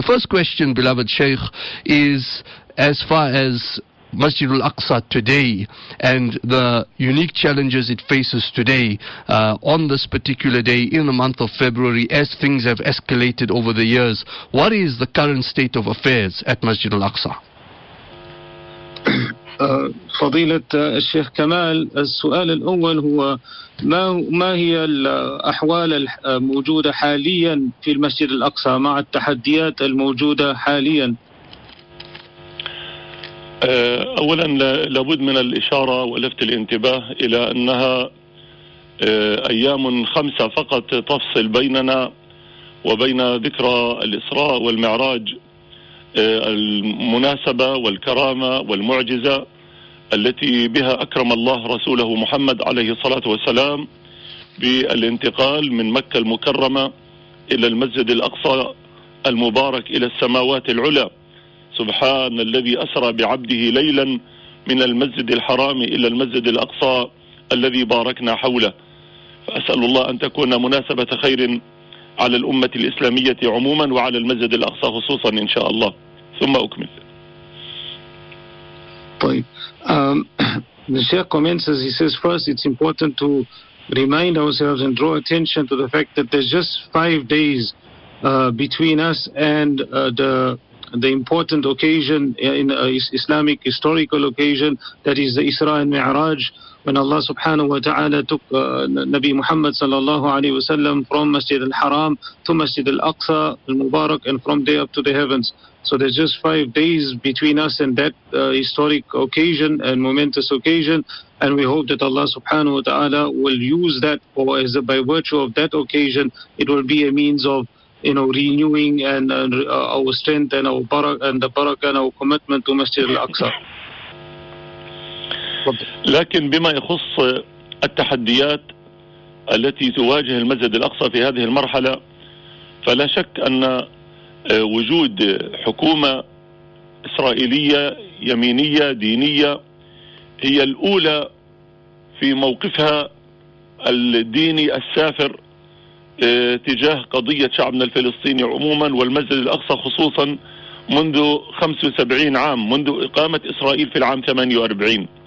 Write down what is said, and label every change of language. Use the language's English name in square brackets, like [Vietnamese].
[English] The first question, beloved Sheikh, is as far as Masjid al-Aqsa today and the unique challenges it faces today, on this particular day in the month of February, as things have escalated over the years, what is the current state of affairs at Masjid al-Aqsa? [Arabic] فضيلة الشيخ كمال, السؤال الأول هو ما هي الأحوال الموجودة حاليا في المسجد الأقصى مع التحديات الموجودة حاليا؟ أولا لابد من الإشارة ولفت الانتباه إلى أنها أيام خمسة فقط تفصل بيننا وبين ذكرى الإسراء والمعراج, المناسبة والكرامة والمعجزة التي بها أكرم الله رسوله محمد عليه الصلاة والسلام بالانتقال من مكة المكرمة إلى المسجد الأقصى المبارك إلى السماوات العلى. سبحان الذي أسرى بعبده ليلا من المسجد الحرام إلى المسجد الأقصى الذي باركنا حوله. فأسأل الله أن تكون مناسبة خير على الأمة الإسلامية عموما وعلى المسجد الأقصى خصوصا إن شاء الله. ثم أكمل. طيب. [English] The Sheikh commences, he says, first it's important to remind ourselves and draw attention to the fact that there's just 5 days between us and the important occasion in Islamic historical occasion, that is the Isra and Mi'raj, when Allah subhanahu wa ta'ala took Nabi Muhammad sallallahu alayhi wa sallam from Masjid al-Haram to Masjid al-Aqsa al-Mubarak, and from there up to the heavens. So there's just 5 days between us and that historic occasion and momentous occasion, and we hope that Allah subhanahu wa ta'ala will use that, or as a, by virtue of that occasion, it will be a means of, you know, renewing and our strength and our barak and the barak and our commitment to Masjid al-Aqsa. [Arabic] لكن بما يخص التحديات التي تواجه المسجد الأقصى في هذه المرحلة, فلا شك أن وجود حكومة إسرائيلية يمينية دينية هي الأولى في موقفها الديني السافر تجاه قضية شعبنا الفلسطيني عموما والمسجد الأقصى خصوصا منذ 75 عام, منذ إقامة إسرائيل في العام 48.